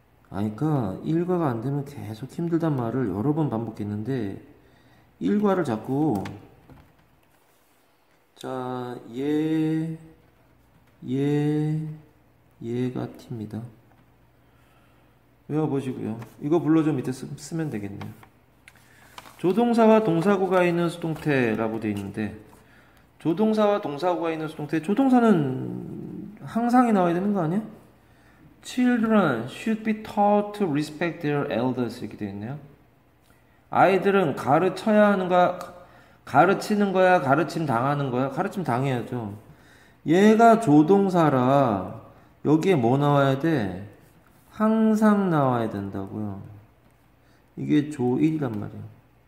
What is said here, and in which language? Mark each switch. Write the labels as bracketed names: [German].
[Korean] 아니까 일과가 안 되면 계속 힘들단 말을 여러 번 반복했는데 일과를 자꾸 자, 얘가 T입니다. 외워보시고요. 이거 불러주면 밑에 쓰면 되겠네요. 조동사와 동사구가 있는 수동태라고 되어 있는데, 조동사와 동사구가 있는 수동태, 조동사는 항상이 나와야 되는 거 아니야? [English] Children should be taught to respect their elders. [Korean] 이렇게 되어 있네요. 아이들은 가르쳐야 하는가, 가르치는 거야, 가르침 당하는 거야? 가르침 당해야죠. 얘가 조동사라, 여기에 뭐 나와야 돼? 항상 나와야 된다고요. 이게 조일이란 말이에요.